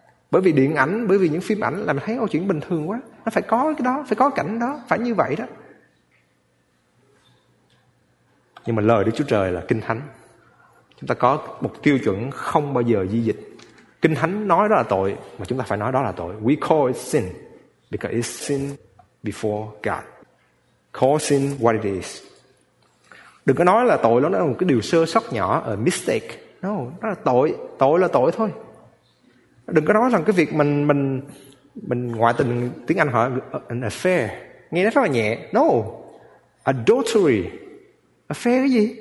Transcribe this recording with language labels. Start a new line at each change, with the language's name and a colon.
Vietnamese: Bởi vì điện ảnh, bởi vì những phim ảnh làm thấy câu chuyện bình thường quá. Nó phải có cái đó, phải có cảnh đó, phải như vậy đó. Nhưng mà lời Đức Chúa Trời là Kinh Thánh. Chúng ta có một tiêu chuẩn không bao giờ di dịch. Kinh Thánh nói đó là tội, mà chúng ta phải nói đó là tội.
English: We call it sin because it's sin before God. Call sin what it is.
Vietnamese: Đừng có nói là tội, nó là một cái điều sơ sót nhỏ,
English: a mistake. No,
Vietnamese: nó là tội, tội là tội thôi. Đừng có nói rằng cái việc mình ngoại tình, tiếng Anh họ
English: an affair,
Vietnamese: nghe nó rất là nhẹ.
English: No, adultery. Affair
Vietnamese: cái gì?